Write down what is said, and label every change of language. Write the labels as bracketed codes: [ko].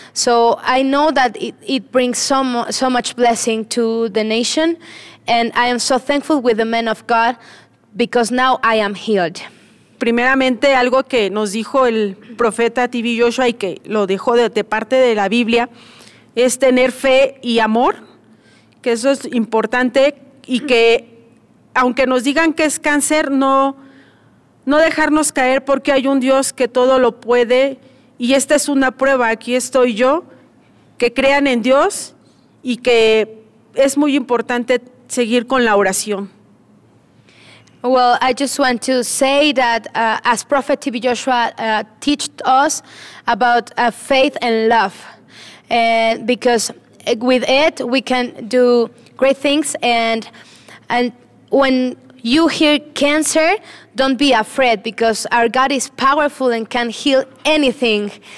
[en] So I know that it brings so much blessing to the nation, and I am so thankful with the men of God. Because now I am healed. [es] Primeramente, algo que nos dijo el profeta T.B. Joshua y que lo dejó de parte de la Biblia es tener fe y amor, que eso es importante y que aunque nos digan que es cáncer, no dejarnos caer porque hay un Dios que todo lo puede y esta es una prueba, aquí estoy yo, que crean en Dios y que es muy importante seguir con la oración. [en] Well, I just want to say that as Prophet T.B. Joshua taught us about faith and love, and because with it we can do great things. And when you hear cancer, don't be afraid because our God is powerful and can heal anything.